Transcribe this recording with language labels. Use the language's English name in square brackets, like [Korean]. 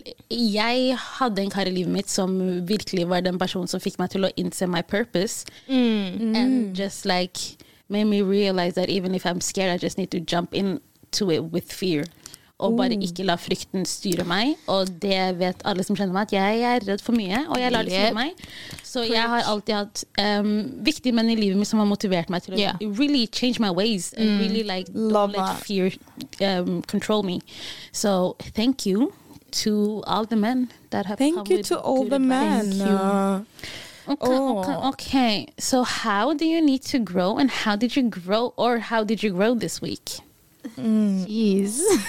[Norwegian] Jeg hadde en kar I livet mitt som virkelig var den personen som fikk meg til å innse [English] my purpose. And just like made me realize that even if I'm scared, I just need to jump into it with fear. [Norwegian] Og bare ikke la frykten styre meg. Og det vet alle som kjenner meg at jeg redd for mye, og jeg lar det styre meg. Så jeg har alltid hatt viktige menn I livet mitt som har motivert meg til å [English] really change my ways and really like don't let fear control me. So thank you to all the men that have thank you to all the men. Okay. So how do you need to grow and how did you grow this week? Jeez.